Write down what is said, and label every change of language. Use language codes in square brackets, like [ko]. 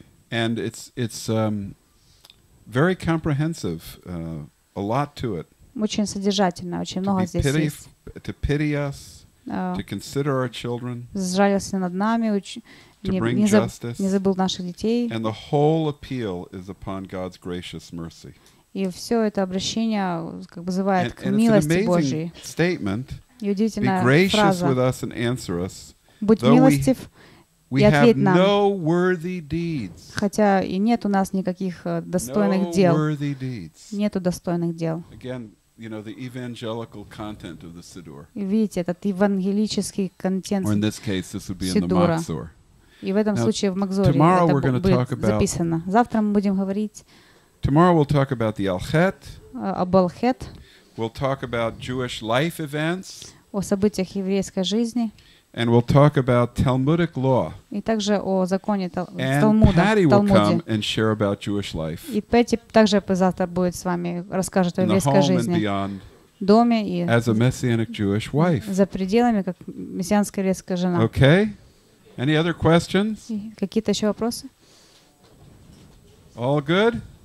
[en] And it's very comprehensive, a lot to it. [ru] Очень содержательно, очень много здесь есть. [en] To pity us, to consider our children. [ru] Сжалился над нами, не забыл наших детей. [en] And the whole appeal is upon God's gracious mercy. [ru] И все это обращение как бы вызывает к милости Божьей. [en] Statement. [ru] И удивительная фраза. [en] Be gracious [ru] фраза. [en] With us and answer us. [ru] Будь милостив. [en] We have no worthy deeds. [ru] Хотя и нет у нас никаких достойных дел. [en] No worthy deeds. [ru] Нету достойных дел. [en] Again, you know, the evangelical content of the siddur. [ru] И видите, этот евангелический контент. [en] Or in this case, this would be in the Maksor. [ru] И в этом случае в Макзоре это будет записано. Завтра мы будем говорить. [en] Tomorrow we'll talk about the Алхет. [ru] Об Алхет. [en] We'll talk about Jewish life events. [ru] О событиях еврейской жизни. [en] And we'll talk about Talmudic law. [ru] И также о законе Талмуда. [en] And Patty will come and share about Jewish life. [ru] И Пэтти также завтра будет с вами расскажет о еврейской жизни. Доме и [en] as a messianic Jewish wife. [ru] За пределами как мессианская еврейская жена. [en] Okay. Any other questions? [ru] Какие-то еще вопросы? [en] All good?